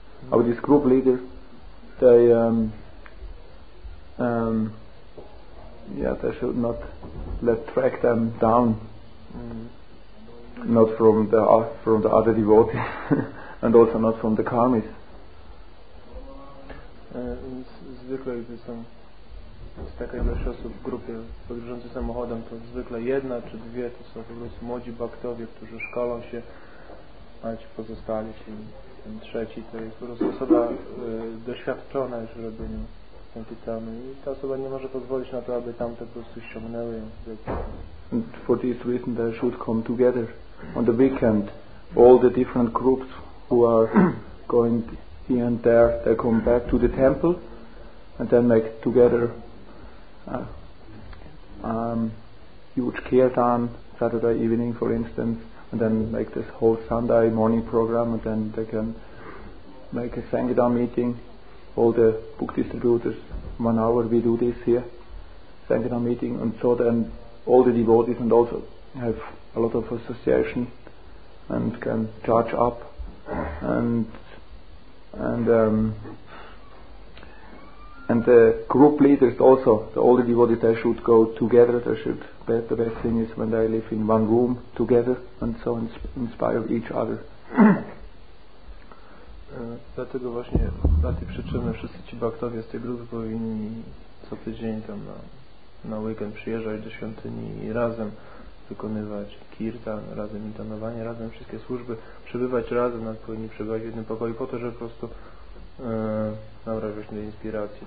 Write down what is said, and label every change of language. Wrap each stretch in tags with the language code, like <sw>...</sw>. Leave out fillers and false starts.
<en>Our this group leader, they should not let track them down, not from the other devotees, and also not from the karmis.</en> <pl>Zwykle gdy są z takiej ilości osób w grupie podróżujących samochodem, to zwykle jedna czy dwie to są po prostu młodzi baktowie, którzy szkolą się, a ci pozostali się. Ten trzeci to jest po prostu osoba doświadczona już w robieniu sankirtany i ta osoba nie może pozwolić na to, aby tamte po prostu ściągnęły ją.</pl> <en>And for this reason they should come together on the weekend, all the different groups who are going here and there, they come back to the temple and then make together huge kirtan Saturday evening, for instance, and then make this whole Sunday morning program, and then they can make a Sangitam meeting, all the book distributors, 1 hour we do this here, Sangitam meeting, and so then all the devotees and also have a lot of association and can charge up and the group leaders also, the older devotees, they should go together, they should, the best thing is when they live in one room together and so inspire each other.</en> <pl>Dlatego właśnie dla tej przyczyny wszyscy ci baktowie z tej grupy powinni co tydzień tam na weekend przyjeżdżać do świątyni i razem wykonywać kirtan, razem intonowanie, razem wszystkie służby, przebywać razem, nawet powinni przebywać w jednym pokoju po to, żeby po prostu nabrać właśnie inspiracji.</pl>